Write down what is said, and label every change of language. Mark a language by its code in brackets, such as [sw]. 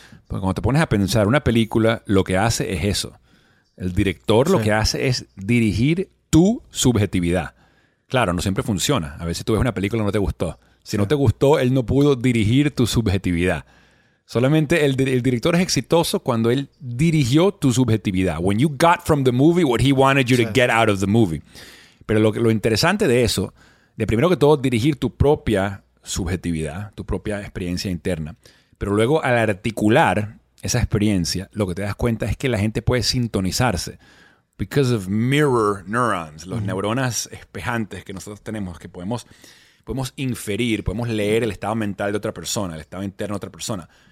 [es] Porque cuando te pones a pensar, una película lo que hace es eso. El director lo que hace es dirigir tu subjetividad. Claro, no siempre funciona. A veces tú ves una película y no te gustó. Si no te gustó, él no pudo dirigir tu subjetividad. Solamente el director es exitoso cuando él dirigió tu subjetividad. [en] When you got from the movie what he wanted you to get out of the movie. [es] Pero lo interesante de eso, de primero que todo, dirigir tu propia subjetividad, tu propia experiencia interna. Pero luego, al articular esa experiencia, lo que te das cuenta es que la gente puede sintonizarse. [en] Because of mirror neurons, [es] los neuronas espejantes que nosotros tenemos, que podemos inferir, podemos leer el estado mental de otra persona, el estado interno de otra persona.